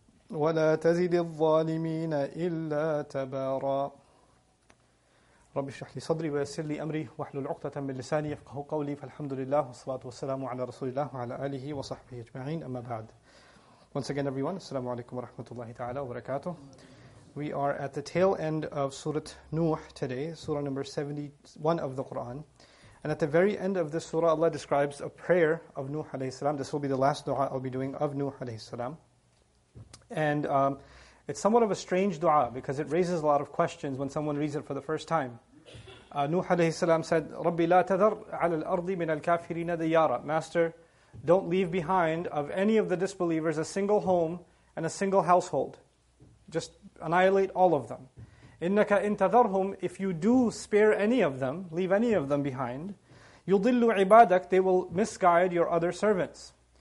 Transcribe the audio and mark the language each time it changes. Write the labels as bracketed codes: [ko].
[ar] ولا تزد الظالمين إلا تبارا رب اشرح لي صدري ويسر لي امري واحلل عقدة من لساني يفقهوا قولي فالحمد لله والصلاة والسلام على رسول الله وعلى آله وصحبه اجمعين اما بعد. [en] Once again everyone, assalamu alaikum wa rahmatullahi ta'ala wa barakatuh. We are at the tail end of Surah Nuh today, Surah number 71 of the Quran. And at the very end of this surah, Allah describes a prayer of Nuh alayhi salam. This will be the last dua I'll be doing of Nuh alayhi salam. And it's somewhat of a strange dua because it raises a lot of questions when someone reads it for the first time. Nuh alayhi salam said, [ar] رَبِّ لَا تَذَرْ عَلَى الْأَرْضِ مِنَ الْكَافِرِينَ دَيَّارًا. [en] Master, don't leave behind of any of the disbelievers a single home and a single household. Just annihilate all of them. [ar] إِنَّكَ إِن تَذَرْهُمْ [en] If you do spare any of them, leave any of them behind, [ar] يُضِلُّ عِبَادَكَ [en] They will misguide your other servants.